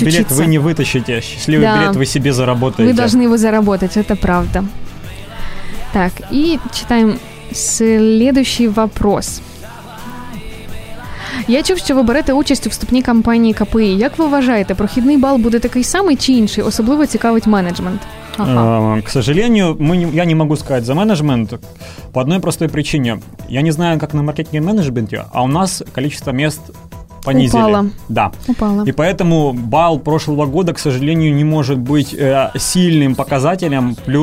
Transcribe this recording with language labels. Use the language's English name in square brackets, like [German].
[Russian] Счастливый билет вы не вытащите. Счастливый билет вы себе заработаете. Вы должны его заработать, это правда. Так, и читаем следующий вопрос. Я чувствую, что выберете [Ukrainian] участь у вступній кампанії КПІ. Як ви вважаєте, прохідний бал буде такий самий чи інший? Особливо цікавить менеджмент. [Russian] К сожалению, я не могу сказать за менеджмент по одной простой причине. Я не знаю, как на маркетинге менеджменте, а у нас количество мест понизили. Упало. Да. Упало. И поэтому бал прошлого года, к сожалению, не может быть сильным показателем.